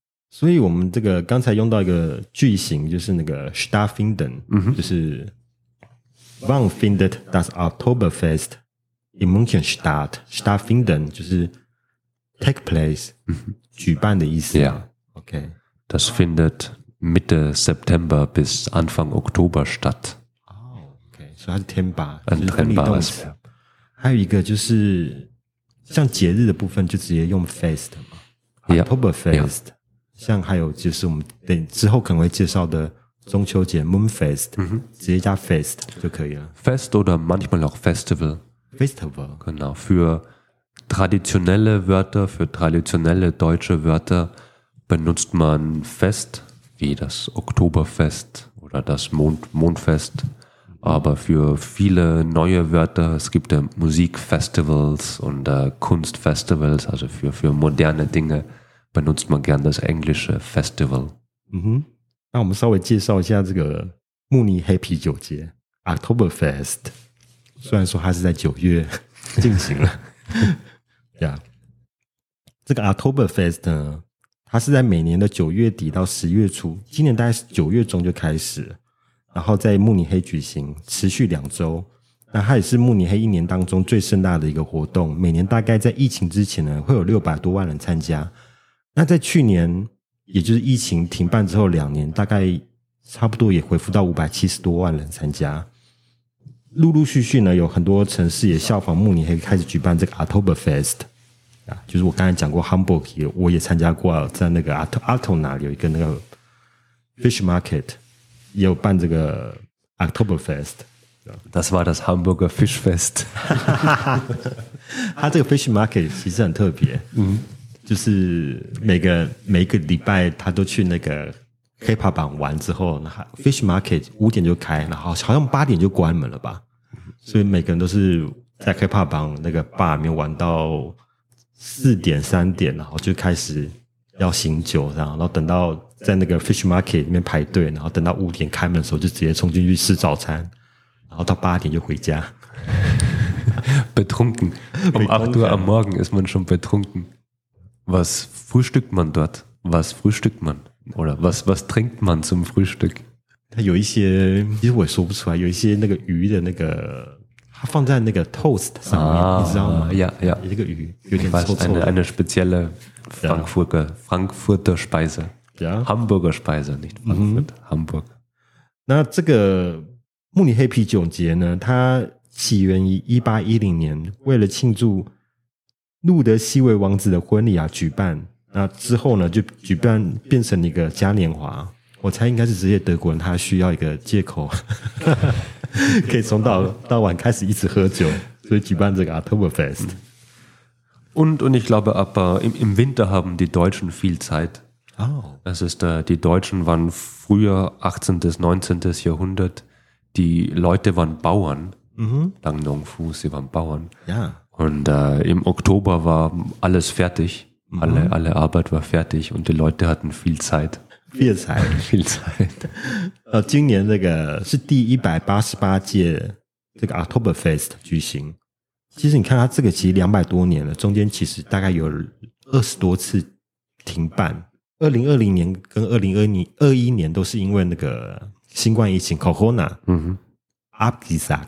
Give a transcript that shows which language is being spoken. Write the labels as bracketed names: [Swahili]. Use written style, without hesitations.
[Chinese] 所以我们这个刚才用到一个句型，就是那个 Stattfinden、 mm-hmm. 就是 [German] Wann findet das Oktoberfest in München statt? [Chinese] Stattfinden 就是 take place、 mm-hmm. 举办的意思、 [English] yeah. okay. [German] Das findet Mitte September bis Anfang Oktober statt、 [English] okay. So [Chinese] 它是天把 [German] untrennbares Verb [Chinese] 还有一个就是像节日的部分就直接用 Fest Oktoberfest、 [English] yeah. yeah. [Chinese] 像还有就是我们等之后可能会介绍的中秋节 Moonfest、 mm-hmm. 直接加 Fest 就可以了 [German] Fest oder manchmal auch Festival Festival genau für traditionelle deutsche Wörter benutzt man Fest wie das Oktoberfest oder das Mondfest aber für viele neue Wörter es gibt ja Musikfestivals und Kunstfestivals also für moderne Dingebenutzt man gern das englische Festival. [Chinese] 嗯哼，那我们稍微介绍一下这个慕尼黑啤酒节 Oktoberfest。虽然说它是在九月进行了， [English] yeah. [Chinese] 这个 Oktoberfest 呢，它是在每年的九月底到十月初，今年大概是九月中就开始，然后在慕尼黑举行，持续两周。那它也是慕尼黑一年当中最盛大的一个活动，每年大概在疫情之前呢，会有600多万人参加。那在去年也就是疫情停办之后两年大概差不多也回复到570多万人参加陆陆续续呢有很多城市也效仿慕尼黑开始举办这个 Oktoberfest 就是我刚才讲过 Hamburg 我也参加过在那个 Altona 有一个那个 Fish Market 也有办这个 Oktoberfest [German] Das war das Hamburger Fischfest [Chinese] 他这个 Fish Market 其实很特别嗯就是每个礼拜他都去那个 K-pop 版玩之后 Fish Market 五点就开然后好像八点就关门了吧所以每个人都是在 K-pop 版那个 bar 里面玩到四点三点然后就开始要醒酒然后等到在那个 Fish Market 里面排队然后等到五点开门的时候就直接冲进去吃早餐然后到八点就回家 [German] Betrunken Um 8 Uhr am Morgen ist man schon betrunkenWas frühstückt man dort? Was frühstückt man? Oder was trinkt man zum Frühstück? [Chinese] 它有一些，其实我也说不出来，有一些那个鱼的那个，它放在那个 toast 上面，你知道吗？ [German] Ja, ja. [Chinese] 那个鱼有点臭臭的。 [German] Eine spezielle Frankfurter Speise. Ja. Hamburger Speise, nicht Frankfurt, Hamburg. [Chinese] 那这个慕尼黑啤酒节呢，它起源于1810年，为了庆祝路德西维王子的婚礼啊举办那之后呢就举办变成一个嘉年华我猜应该是这些德国人他需要一个借口可以从早 到晚开始一直喝酒所以举办这个 Oktoberfest [German] und ich glaube aber im Winter haben die Deutschen viel Zeit、 oh. es ist die Deutschen waren früher 18. 19. Jahrhundert die Leute waren Bauern、 mm-hmm. Lang Nong Fu sie waren Bauern ja、yeah. Und im Oktober war alles fertig, alle,、mhm. alle Arbeit war fertig und die Leute hatten viel Zeit. Viel Zeit. viel Zeit. [Chinese] 今年这个是第188届这个 Oktoberfest 举行。其实你看它这个其实200多年了中间其实大概有20多次停办。 2020年跟2021年都是因为那个新冠疫情 Corona, [German] Abgesagt,、